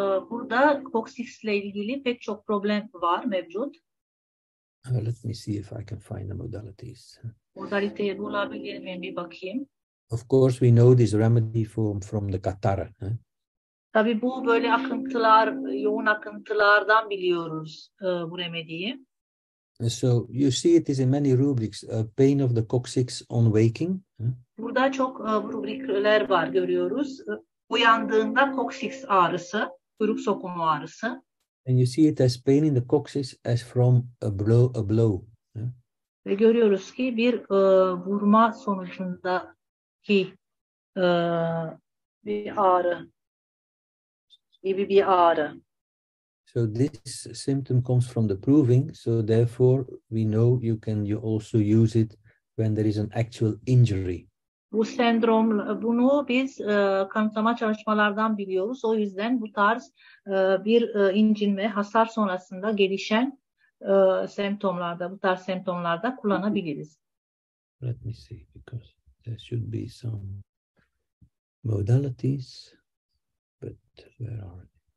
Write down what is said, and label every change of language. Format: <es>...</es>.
<tr>Burada coccyx'le ilgili pek çok problem var mevcut.</tr> <en>Let me see if I can find the modalities.</en> <tr>Modaliteyi bulabilir miyim bir bakayım.</tr> <en>Of course we know this remedy from the katara.</en> <tr>Tabii bu böyle akıntılar, yoğun akıntılardan biliyoruz bu remediyi.</tr> <en>So you see it is in many rubrics, pain of the coccyx on waking.</en> <tr>Burada çok rubrikler var görüyoruz. Uyandığında coccyx ağrısı, kuyruk sokumu ağrısı.</tr> <en>And you see it as pain in the coccyx as from a blow.</en> <tr>Ve görüyoruz ki bir vurma sonucunda ki bir ağrı gibi bir ağrı.</tr> <en>So this symptom comes from the proving, so therefore we know you can also use it when there is an actual injury.</en> <tr>Bu sendrom, bunu biz kanıtlama çalışmalardan biliyoruz. O yüzden bu tarz bir incinme, hasar sonrasında gelişen semptomlarda, bu tarz semptomlarda kullanabiliriz.</tr> <en>Let me see, because there should be some modalities, but where are they?</en>